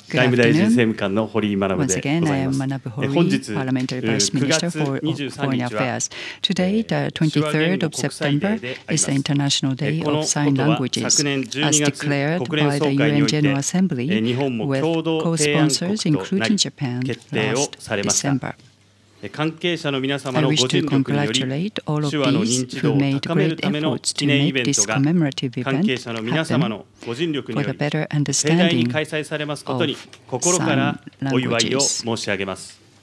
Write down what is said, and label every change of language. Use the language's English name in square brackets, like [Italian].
[Japanese] 外務大臣政務官の堀井学でございます。本日9月23日は [English] Today, the 23rd of September is the International Day of Sign Languages, as declared by the UN General Assembly with co-sponsors, including Japan, last December. [Japanese] 関係者の皆様のご尽力により手話の認知度を高めるためのイベントが関係者の皆様のご尽力により盛大に開催されますことに心からお祝いを申し上げます。